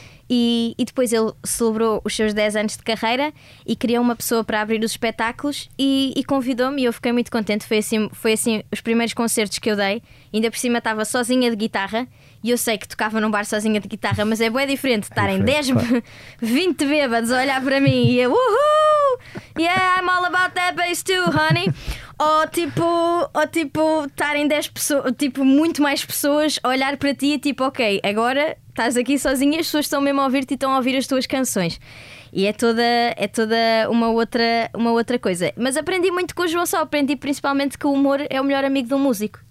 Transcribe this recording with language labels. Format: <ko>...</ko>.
<pt>E depois ele celebrou os seus 10 anos de carreira e criou uma pessoa para abrir os espetáculos e convidou-me, e eu fiquei muito contente. Foi assim os primeiros concertos que eu dei. Ainda por cima estava sozinha de guitarra, e eu sei que tocava num bar sozinha de guitarra, mas é bué diferente estarem 10, 20 bêbados a olhar para mim e eu, uhul!</pt> <en>Yeah, I'm all about that bass too, honey!</en> <pt>Ou tipo, estarem 10 pessoas, tipo, muito mais pessoas a olhar para ti e tipo, ok, agora estás aqui sozinha e as pessoas estão mesmo a ouvir-te e estão a ouvir as tuas canções. E é toda uma outra coisa. Mas aprendi muito com o João Sol. Aprendi principalmente que o humor é o melhor amigo de um músico.</pt>